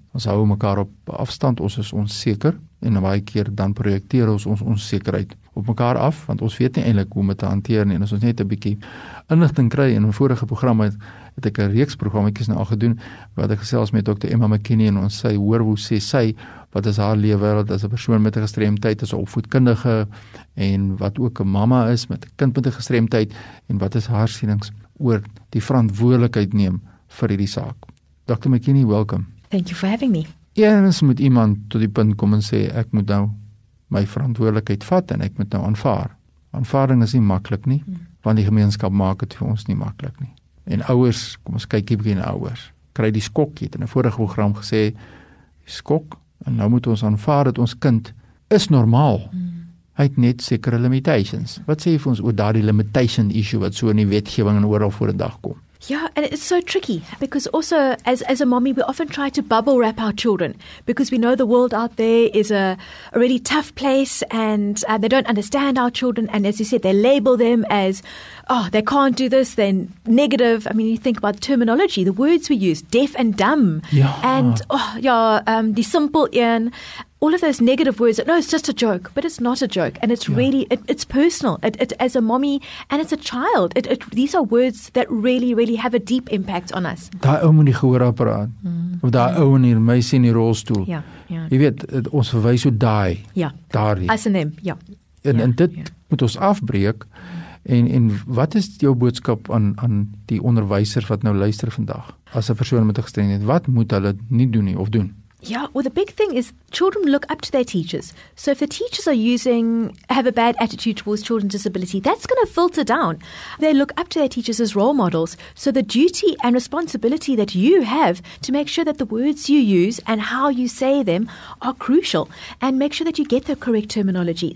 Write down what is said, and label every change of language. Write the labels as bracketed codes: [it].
[af] Ons hou mekaar op afstand, ons is onseker en baie keer dan projekteer ons ons onsekerheid op mekaar af, want ons weet nie eintlik hoe om dit te hanteer nie. En as ons net 'n bietjie inligting kry, in 'n vorige program het ek 'n reeks programmetjies nou al gedoen wat ek gesels met Dr. Emma McKinney en ons sy hoor hoe sê sy wat is haar lewe as 'n persoon met 'n gestremdheid, as 'n opvoedkundige en wat ook 'n mamma is met 'n kind met 'n gestremdheid en wat is haar sienings oor die verantwoordelikheid neem vir hierdie saak. Dr. McKinney, welkom. [en] Thank you for having me. [af] Eens moet iemand tot die punt kom en sê ek moet nou my verantwoordelikheid vat en ek moet nou aanvaar. Aanvaarding is nie maklik nie, want die gemeenskap maak dit vir ons nie maklik nie. En ouers, kom ons kyk 'n bietjie na ouers. Kry die skok, jy het in 'n vorige program gesê skok en nou moet ons aanvaar dat ons kind is normaal. Hy het net sekere limitations. Wat sê jy vir ons oor daardie [en] limitation issue [af] wat so in die wetgewing en oral voor die dag kom? [en] Yeah, and it's so tricky because also as a mommy, we often try to bubble wrap our children because we know the world out there is a really tough place and they don't understand our children. And as you said, they label them as, oh, they can't do this, then negative. I mean, you think about terminology, the words we use, deaf and dumb. Yeah. And oh, yeah, the simple ian. All of those negative words, no, it's just a joke, but it's not a joke. And it's really, it's personal. It as a mommy and as a child, it these are words that really, really have a deep impact on us. [af] Daai ou met die gehoorapparaat, of daai ou in die meisie in die rolstoel. Ja, jy weet, ons verwys hoe daai, daardie. [en] As in them, ja. [af] En dit moet ons afbreek. En wat is jou boodskap aan die onderwysers wat nou luister vandag? As 'n persoon met 'n gestremdheid, wat moet hulle nie doen nie of doen? [en] Yeah, well, the big thing is children look up to their teachers. So if the teachers have a bad attitude towards children's disability, that's going to filter down. They look up to their teachers as role models. So the duty and responsibility that you have to make sure that the words you use and how you say them are crucial and make sure that you get the correct terminology.